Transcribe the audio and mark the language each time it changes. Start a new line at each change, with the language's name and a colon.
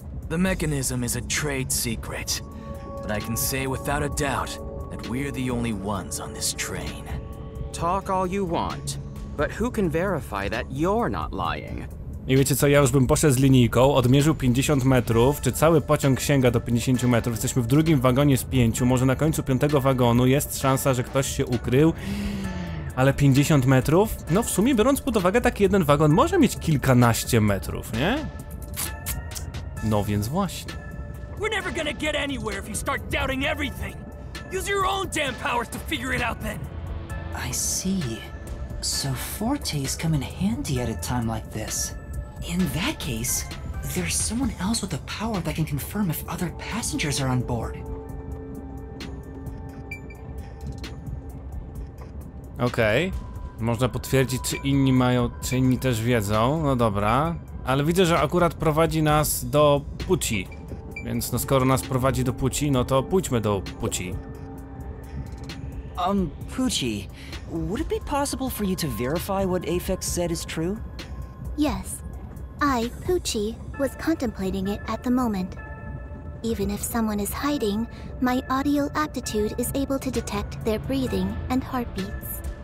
English: The mechanism is a trade secret, but I can say without a doubt that we're the only ones on this train. Talk all you want, but who can verify that you're not lying?
Polish: I wiecie co, ja już bym poszedł z linijką, odmierzył 50 metrów, czy cały pociąg sięga do 50 metrów, jesteśmy w drugim wagonie z pięciu, może na końcu piątego wagonu jest szansa, że ktoś się ukrył, ale 50 metrów? No w sumie biorąc pod uwagę, taki jeden wagon może mieć kilkanaście metrów, nie? No więc właśnie.
English: We're never gonna get anywhere if you start doubting everything. Use your own damn powers to figure it out then. I see. So Forte's come in handy at a time like this. In that case, there's someone else with a power that can confirm if other passengers are on board.
Polish: Okej.
English: Okay.
Polish: Można potwierdzić, czy inni mają, czy inni też wiedzą. No dobra. Ale widzę, że akurat prowadzi nas do płci. Więc no skoro nas prowadzi do płci, no to pójdźmy do płci.
English: Poochie, would it be possible for you to verify what Aphex said is true? Yes. I, Poochie, was contemplating it at the moment. Even if someone is hiding, my audio aptitude is able to detect their breathing and heartbeats.